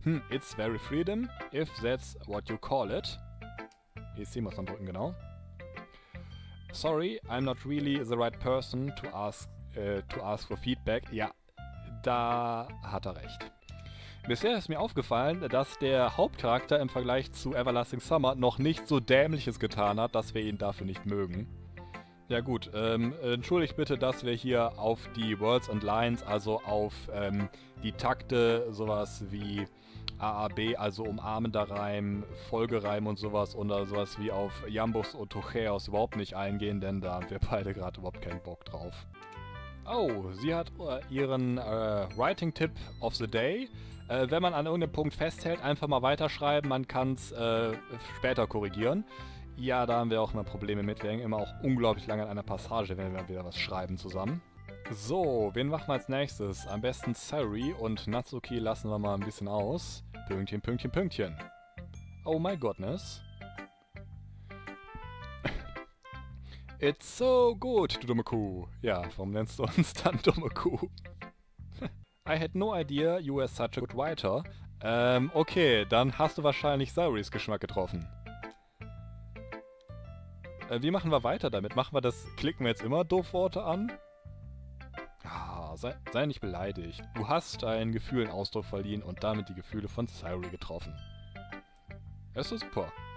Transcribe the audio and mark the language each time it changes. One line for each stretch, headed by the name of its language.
English: it's very freedom if that's what you call it.
German: Hier ist jemand dran drücken, genau.
English: Sorry, I'm not really the right person to ask for feedback.
German: Ja, da hat er recht. Bisher ist mir aufgefallen, dass der Hauptcharakter im Vergleich zu Everlasting Summer noch nicht so Dämliches getan hat, dass wir ihn dafür nicht mögen. Ja gut, entschuldigt bitte, dass wir hier auf die Words and Lines, also auf die Takte, sowas wie AAB, also umarmender Reim, Folgereim und sowas, oder sowas wie auf Jambus und Tocheos überhaupt nicht eingehen, denn da haben wir beide gerade überhaupt keinen Bock drauf. Oh, sie hat ihren Writing-Tipp of the Day. Wenn man an irgendeinem Punkt festhält, einfach mal weiterschreiben, man kann es später korrigieren. Ja, da haben wir auch immer Probleme mit. Wir hängen immer auch unglaublich lange an einer Passage, wenn wir wieder was schreiben zusammen. So, wen machen wir als nächstes? Am besten Sari und Natsuki lassen wir mal ein bisschen aus. Pünktchen, Pünktchen, Pünktchen.
English: Oh my goodness. It's so good,
German: du dumme Kuh. Ja, warum nennst du uns dann dumme Kuh?
English: I had no idea you were such a good writer.
German: Okay, dann hast du wahrscheinlich Sauris Geschmack getroffen. Wie machen wir weiter damit? Machen wir das, klicken wir jetzt immer Doofworte an? Ah, sei nicht beleidigt. Du hast deinen Gefühlen Ausdruck verliehen und damit die Gefühle von Sauri getroffen. Das ist super.